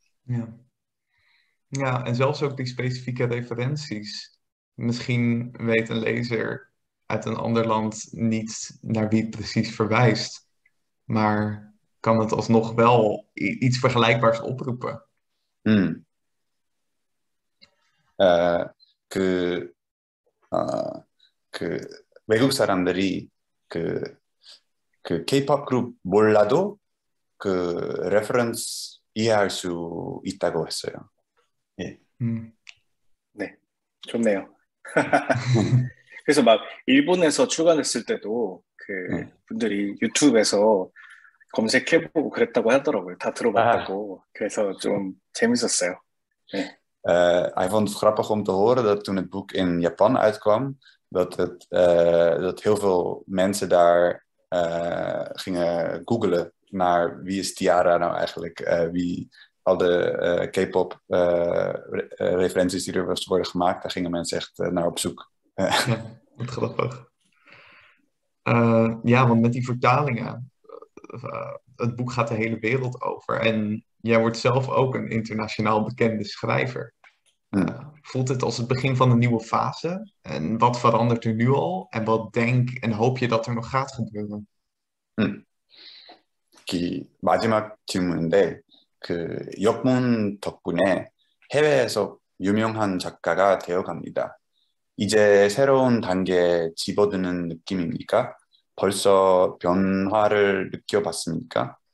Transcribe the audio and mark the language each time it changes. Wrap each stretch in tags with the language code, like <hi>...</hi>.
<nl>Ja. Ja, en zelfs ook die specifieke referenties. Misschien weet een lezer uit een ander land niet naar wie het precies verwijst, maar kan het alsnog wel iets vergelijkbaars oproepen. Hmm.</nl> <ko>그 외국 사람들이 그 K-pop 그룹 몰라도 그 레퍼런스 이해할 수 있다고 했어요. 예. 네, 좋네요. 그래서 막 일본에서 출간했을 때도 그 분들이 유튜브에서 검색해보고 그랬다고 하더라고요. 다 들어봤다고. 아. 그래서 좀 재밌었어요. 네.</ko> <nl>아, I vond het grappig om te horen dat toen het boek in Japan uitkwam, dat, het, dat heel veel mensen daar gingen googelen naar wie is Tiara nou eigenlijk, wie al de K-pop referenties die er was worden gemaakt, daar gingen mensen echt naar op zoek. Ja, wat grappig. Ja, want met die vertalingen, het boek gaat de hele wereld over en jij wordt zelf ook een internationaal bekende schrijver. Voelt het als het begin van een nieuwe fase? En wat verandert er nu al? En wat denk en hoop je dat er nog gaat gebeuren?</nl> <ko>그 마지막 질문인데 그 역문 덕분에 해외에서 유명한 작가가 되어갑니다. 이제 새로운 단계에 집어드는 느낌입니까? 벌써 변화를 느껴봤습니까?</ko>